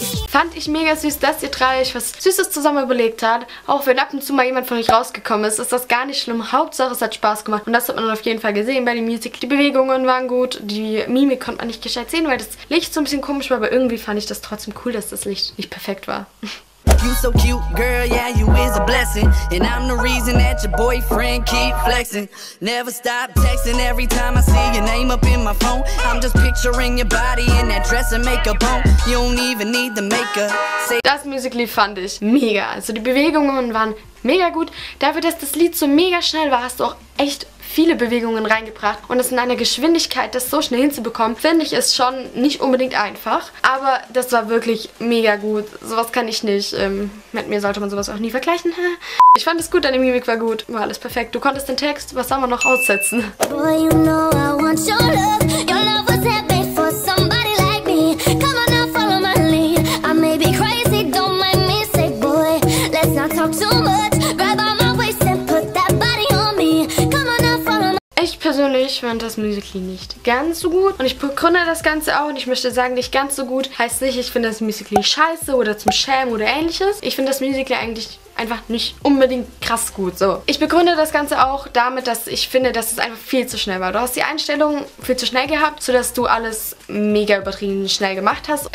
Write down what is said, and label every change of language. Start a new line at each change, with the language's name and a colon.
German: Fand ich mega süß, dass ihr drei euch was Süßes zusammen überlegt habt. Auch wenn ab und zu mal jemand von euch rausgekommen ist, ist das gar nicht schlimm. Hauptsache, es hat Spaß gemacht. Und das hat man dann auf jeden Fall gesehen bei dem Musical. Die Bewegungen waren gut, die Mimik konnte man nicht gescheit sehen, weil das Licht so ein bisschen komisch war. Aber irgendwie fand ich das trotzdem cool, dass das Licht nicht perfekt war.
English: You so cute, girl, yeah, you is a blessing. And I'm the reason that your boyfriend keep flexing. Never stop texting every time I see your name up in my phone. I'm just picturing your body in that dress and makeup on. You don't even need the makeup.
German: Das Musical.ly fand ich mega. Also die Bewegungen waren mega gut. Dafür, dass das Lied so mega schnell war, hast du auch echt viele Bewegungen reingebracht und es in einer Geschwindigkeit, das so schnell hinzubekommen, finde ich, ist schon nicht unbedingt einfach. Aber das war wirklich mega gut. Sowas kann ich nicht. Mit mir sollte man sowas auch nie vergleichen. Ich fand es gut, deine Mimik war gut. War alles perfekt. Du konntest den Text, was soll man noch aussetzen?
English: Boy, you know I want your love. Your love was heavy for somebody like me. Come on now, follow my lead. I may be crazy, don't mind me. Say boy, let's not talk too much. Grab on my waist and put that body on me.
German: Ich persönlich fand das Musical.ly nicht ganz so gut und ich begründe das Ganze auch und ich möchte sagen, nicht ganz so gut heißt nicht, ich finde das Musical.ly scheiße oder zum Schämen oder ähnliches. Ich finde das Musical.ly eigentlich einfach nicht unbedingt krass gut. So. Ich begründe das Ganze auch damit, dass ich finde, dass es einfach viel zu schnell war. Du hast die Einstellung viel zu schnell gehabt, sodass du alles mega übertrieben schnell gemacht hast.